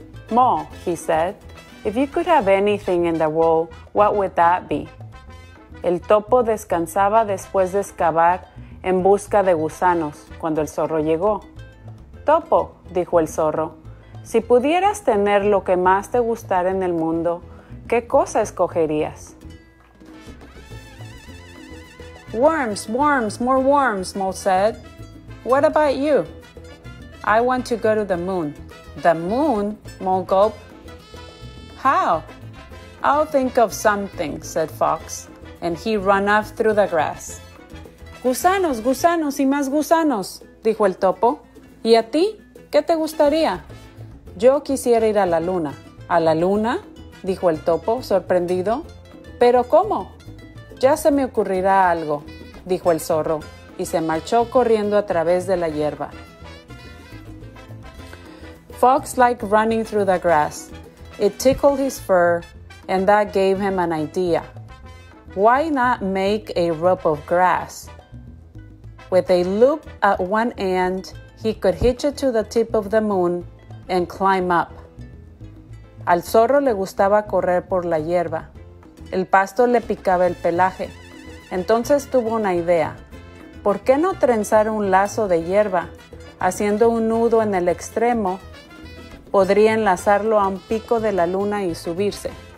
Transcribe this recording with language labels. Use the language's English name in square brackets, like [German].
[English] "Mo," he said, "if you could have anything in the world, what would that be?" [Spanish] El topo descansaba después de excavar en busca de gusanos cuando el zorro llegó. "Topo," dijo el zorro, "si pudieras tener lo que más te gustara en el mundo, ¿qué cosa escogerías?" [English] "Worms, worms, more worms," Mo said. "What about you?" "I want to go to the moon." "The moon?" Mo gulped. "How?" "I'll think of something," said Fox, and he ran off through the grass. [Spanish] "Gusanos, gusanos y más gusanos," dijo el topo. "¿Y a ti? ¿Qué te gustaría?" "Yo quisiera ir a la luna." "¿A la luna?" dijo el topo, sorprendido. "¿Pero cómo?" "Ya se me ocurrirá algo," dijo el zorro, y se marchó corriendo a través de la hierba. [English] Fox liked running through the grass. It tickled his fur, and that gave him an idea. Why not make a rope of grass? With a loop at one end, he could hitch it to the tip of the moon and climb up. [Spanish] Al zorro le gustaba correr por la hierba. El pasto le picaba el pelaje. Entonces tuvo una idea. ¿Por qué no trenzar un lazo de hierba? Haciendo un nudo en el extremo, podría enlazarlo a un pico de la luna y subirse.